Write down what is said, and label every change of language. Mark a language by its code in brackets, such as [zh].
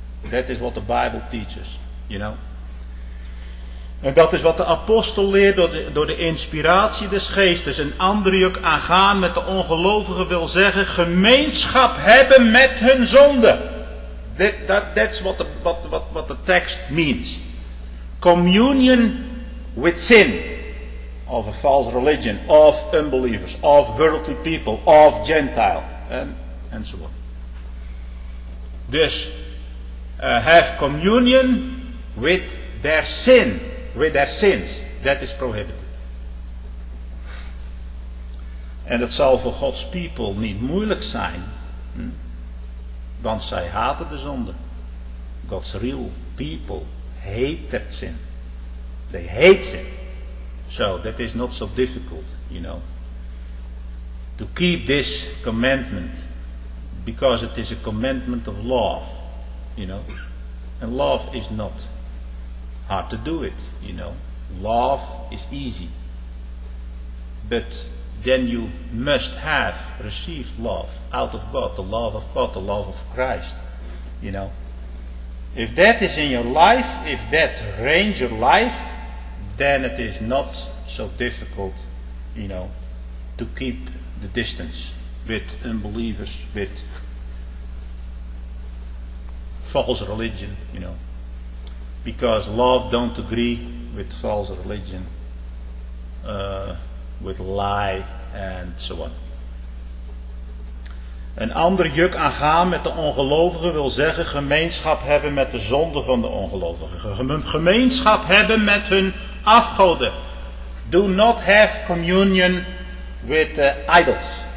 [en] That is what the Bible teaches, you know. [nl] En dat is wat de apostel leert door de inspiratie des geestes. Een andere juk aangaan met de ongelovigen wil zeggen gemeenschap hebben met hun zonde. [en] That's what the text means. Communion with sin. Of a false religion, of unbelievers, of worldly people, of Gentile, and so on. Dus, have communion with their sin, with their sins. That is prohibited. [nl] En het zal voor Gods people niet moeilijk zijn, want zij haten de zonde. [en] God's real people hate that sin. They hate sin. So that is not so difficult, you know, to keep this commandment, because it is a commandment of love, you know. And love is not hard to do it, you know. Love is easy. But then you must have received love out of God, the love of God, the love of Christ, you know. If that is in your life, if that reigns your life, then it is not so difficult, you know, to keep the distance with unbelievers, with false religion, you know. Because love don't agree with false religion, with lie and so on. [nl] Een ander juk aangaan met de ongelovigen wil zeggen gemeenschap hebben met de zonde van de ongelovigen. Gemeenschap hebben met hun afgoden. [en] Do not have communion with idols.